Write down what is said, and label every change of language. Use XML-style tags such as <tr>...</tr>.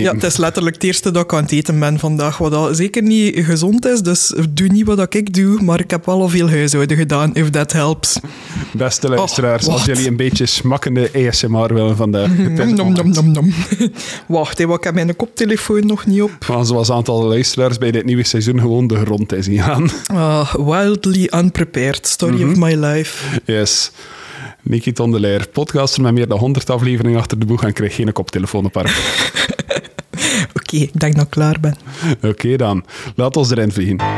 <nl>Ja, het is letterlijk het eerste dat ik aan het eten ben vandaag, wat al zeker niet gezond is, dus doe niet wat ik doe, maar ik heb wel al veel huishouden gedaan,</nl> <en>if that helps.</en> <nl>Beste luisteraars, als jullie een beetje smakkende ASMR willen vandaag. Nom. Wacht, hé, ik heb mijn koptelefoon nog niet op. Maar zoals aantal luisteraars bij dit nieuwe seizoen gewoon de grond is ingaan.</nl> <en>Wildly unprepared, story of my life. Yes.</en> <nl>Nikki Ton de Leijer, podcaster met meer dan 100 afleveringen achter de boeg en kreeg geen koptelefoon op haar. Oké, ik denk dat ik klaar ben. Oké, dan. Laat ons erin vliegen.</nl>